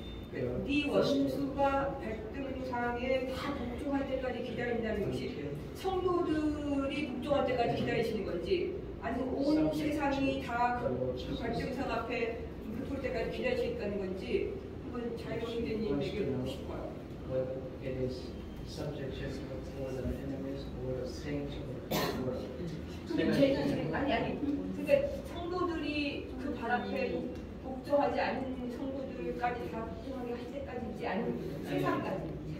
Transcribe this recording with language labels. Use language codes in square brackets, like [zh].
[ko] 네 원수가 백등상에 다 복종할 때까지 기다린다는 것이 성도들이 복종할 때까지 기다리시는 건지 아니면 온 세상이 다 그 백등상 앞에 붙을 때까지 기다리시겠다는 건지 한번 자유형제님에게 묻고 싶어요. [en] It is subject just for the enemies or the saints or the world. [ko] 아니 그러니까 성도들이 그 발 앞에 복종하지 않는 성도들까지 다 복종하게 할 때까지인지 아니면 세상까지